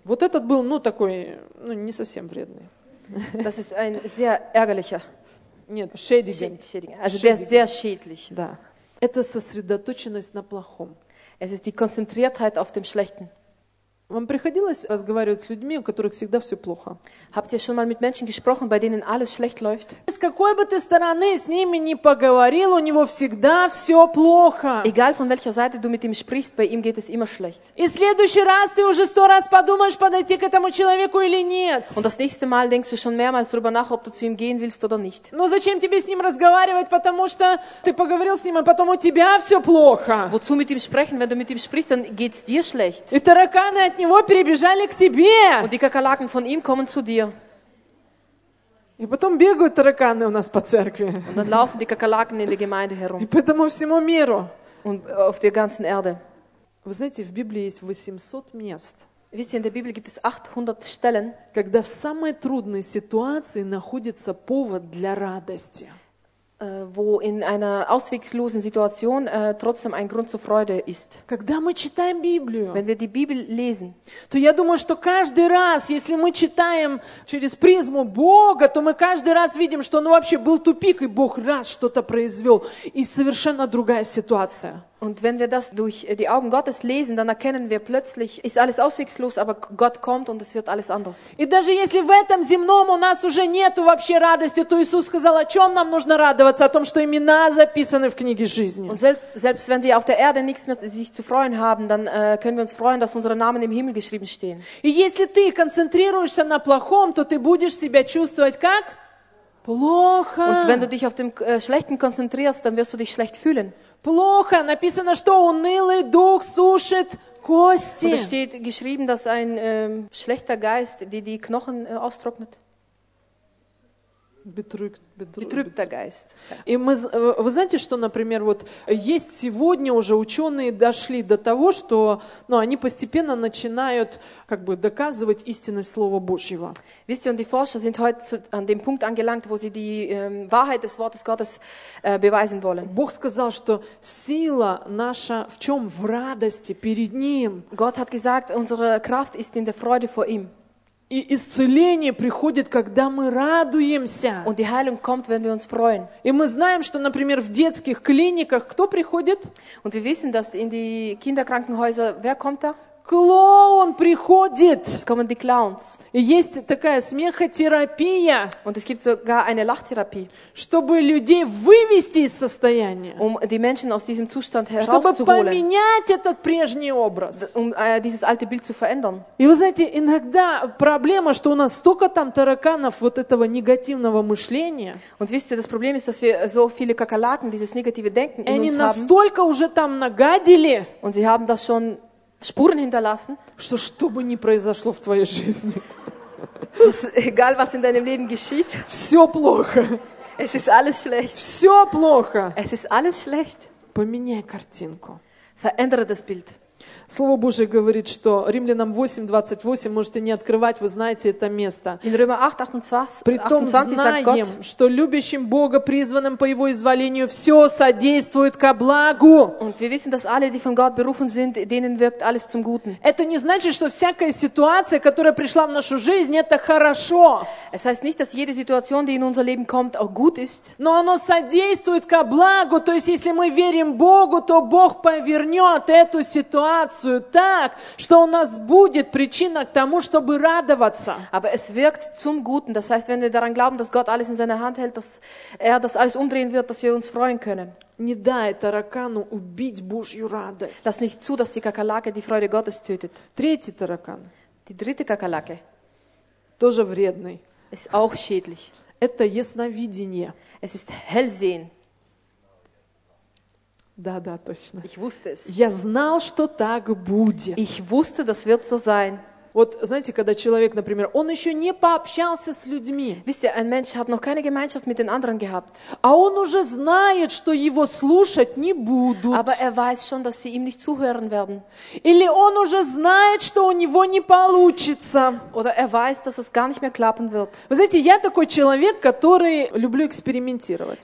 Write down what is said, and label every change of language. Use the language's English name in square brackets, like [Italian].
[Russian] Вот этот был, ну, такой, ну, не совсем вредный. [German] Das ist ein sehr ärgerlicher. [Russian] Нет, [German] schädigend. Also der ist sehr schädlich. [Russian] Да. Это сосредоточенность на плохом. [German] Es ist die Konzentriertheit auf dem Schlechten. [Russian] Вам приходилось разговаривать с людьми, у которых всегда все плохо? [German] Habt ihr schon mal mit Menschen gesprochen, bei denen alles schlecht läuft? [Russian] С какой бы ты стороны с ними не поговорил, у него всегда все плохо. [German] Egal von welcher Seite du mit ihm sprichst, bei ihm geht es immer schlecht. [Russian] И в следующий раз ты уже 100 раз подумаешь, подойти к этому человеку или нет. [German] Und das nächste Mal denkst du schon mehrmals darüber nach, ob du zu ihm gehen willst oder nicht. [Russian] Но зачем тебе с ним разговаривать, потому что ты поговорил с ним, а потом у тебя все плохо? [German] Wozu mit ihm sprechen, wenn du mit ihm sprichst, dann geht's dir schlecht. [Russian] И тараканы от него перебежали к тебе. [German] Und die Kakerlaken von ihm kommen zu dir. [Russian] И потом бегают тараканы у нас по церкви. [German] Und dann laufen die Kakerlaken in der Gemeinde herum. [Russian] И поэтому всему миру. [German] Und auf der ganzen Erde. [Russian] Вы знаете, в Библии есть 800 мест. [German] Wisst ihr, in der Bibel gibt es 800 Stellen, [Russian] когда в самой трудной ситуации находится повод для радости. [German] Wo in einer ausweglosen Situation trotzdem ein Grund zur Freude ist. [Russian] Когда мы читаем Библию, [German] wenn wir die Bibel lesen, [Russian] то я думаю, что каждый раз, если мы читаем через призму Бога, то мы каждый раз видим, что ну вообще был тупик, и Бог раз что-то произвел, и совершенно другая ситуация. [German] Und wenn wir das durch die Augen Gottes lesen, dann erkennen wir plötzlich, ist alles ausweglos, aber Gott kommt und es wird alles anders. [Russian] И даже если в этом земном у нас уже нету вообще радости, то Иисус сказал, о чем нам нужно радоваться, о том, что имена записаны в книге жизни. [German] Und selbst wenn wir auf der Erde nichts mehr sich zu freuen haben, dann können wir uns freuen, dass unsere Namen im Himmel geschrieben stehen. [Russian] И если ты концентрируешься на плохом, то ты будешь себя чувствовать как? Плохо. [German] Und wenn du dich auf dem Schlechten konzentrierst, dann wirst du dich schlecht fühlen. [Russian] Плохо. Написано, что унылый дух сушит кости. [German] Und es steht geschrieben, dass ein schlechter Geist die Knochen austrocknet. Betrübter Geist. [Russian] И мы, вы знаете, что, например, вот есть сегодня уже ученые дошли до того, что, ну, они постепенно начинают как бы доказывать истинность Слова Божьего. [German] Wisst ihr, und die Forscher sind heute an dem Punkt angelangt, wo sie die Wahrheit des Wortes Gottes beweisen wollen. [Russian] Бог сказал, что сила наша в чем? В радости перед Ним. [German] Gott hat gesagt, unsere Kraft ist in der Freude vor ihm. [Russian] И исцеление приходит, когда мы радуемся. [German] Und die Heilung kommt, wenn wir uns freuen. [Russian] И мы знаем, что, например, в детских клиниках кто приходит? [German] Und wir wissen, dass in die Kinderkrankenhäuser, wer kommt da? [Russian] Клоун приходит. [German] Es kommen die Clowns. [Russian] И есть такая смехотерапия. [German] Und es gibt sogar eine Lachtherapie. [Russian] Чтобы людей вывести из состояния. [German] Um die Menschen aus diesem Zustand herauszuholen. [Russian] Чтобы поменять этот прежний образ. [German] Um dieses alte Bild zu verändern. [Russian] И вы знаете, иногда проблема, что у нас столько там тараканов вот этого негативного мышления. [German] Und wisst ihr, das Problem ist, dass wir so viele Kakerlaken, dieses negative Denken in uns haben. [Russian] Они настолько уже там нагадили. [German] Und sie haben das schon Spuren hinterlassen. [Russian] Что бы ни произошло в твоей жизни. [German] Egal, was in deinem Leben geschieht. [Russian] Все плохо. [German] Es ist alles schlecht. [Russian] Все плохо. [German] Es ist alles schlecht. [Russian] Поменяй картинку. [German] Verändere das Bild. [Russian] Слово Божие говорит, что Римлянам 8:28 можете не открывать, вы знаете это место. [German] In Römer 8:28. [Russian] Притом знаем, что любящим Бога, призванным по Его изволению, все содействует ко благу. [German] Und wir wissen, dass alle, die von Gott berufen sind, denen wirkt alles zum Guten. [Russian] Это не значит, что всякая ситуация, которая пришла в нашу жизнь, это хорошо. [German] Es heißt nicht, dass jede Situation, die in unser Leben kommt, auch gut ist. [Russian] Но оно содействует ко благу. То есть, если мы верим Богу, то Бог повернет эту ситуацию. Так, что у нас будет причина к тому, чтобы радоваться. [German] Aber es wirkt zum Guten. Das heißt, wenn wir daran glauben, dass Gott alles in seiner Hand hält, dass er das alles umdrehen wird, dass wir uns freuen können. [Russian] Не дай таракану убить Божью радость. [German] Lass nicht zu, dass die Kakerlake die Freude Gottes tötet. [Russian] Третий таракан. [German] Die dritte Kakerlake. [Russian] Тоже вредный. [German] Ist auch schädlich. [Russian] Это ясновидение. [German] Es ist Hellsehen. [Russian] Да, да, точно. [German] Ich wusste es. [Russian] Я знал, что так будет. [German] Ich wusste, das wird so sein. [Russian] Вот, знаете, когда человек, например, он еще не пообщался с людьми. [German] Wisst ihr, ein Mensch hat noch keine Gemeinschaft mit den anderen gehabt. [Russian] А он уже знает, что его слушать не будут. [German] Aber er weiß schon, dass sie ihm nicht zuhören werden. [Russian] Или он уже знает, что у него не получится. [German] Oder er weiß, dass es gar nicht mehr klappen wird. [Russian] Вы знаете, я такой человек, который люблю экспериментировать.